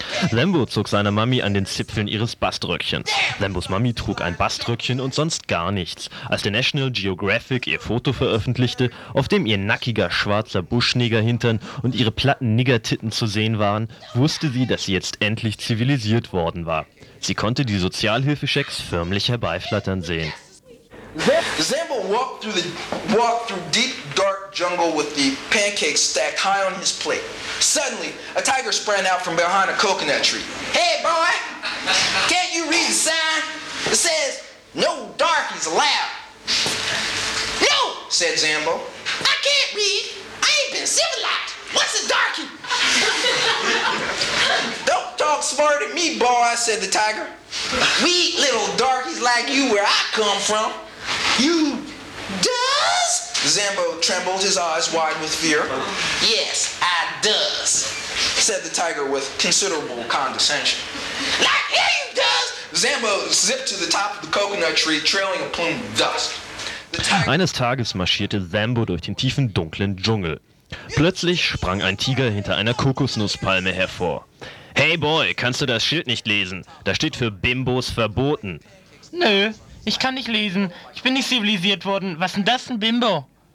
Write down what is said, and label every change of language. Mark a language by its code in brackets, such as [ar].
[de] Zambo zog seiner Mami an den Zipfeln ihres Baströckchens. Zambos Mami trug ein Baströckchen und sonst gar nichts. Als der National Geographic ihr Foto veröffentlichte, auf dem ihr nackiger schwarzer Buschnigger-Hintern und ihre platten Niggertitten zu sehen waren, wusste sie, dass sie jetzt endlich zivilisiert worden war. Sie konnte die Sozialhilfeschecks förmlich herbeiflattern sehen. [en] Zambo walked through deep, dark jungle with the pancakes stacked high on his plate. Suddenly, a tiger sprang out from behind a coconut tree. Hey, boy, can't you read the sign? It says, no darkies allowed. No, said Zambo. I can't read. I ain't been civilized. What's a darkie? Don't talk smart at me, boy, said the tiger. We eat little darkies like you where I come from. You does? Zambo trembled, his eyes wide with fear. Yes, I does, said the tiger with considerable condescension. Like he does! Zambo zipped to the top of the coconut tree, trailing a plume of dust. [de] Eines Tages marschierte Zambo durch den tiefen, dunklen Dschungel. Plötzlich sprang ein Tiger hinter einer Kokosnusspalme hervor. Hey Boy, kannst du das Schild nicht lesen? Da steht für Bimbos verboten. Nö. Ich kann nicht lesen. Ich bin nicht zivilisiert worden. Was denn das, ein Bimbo?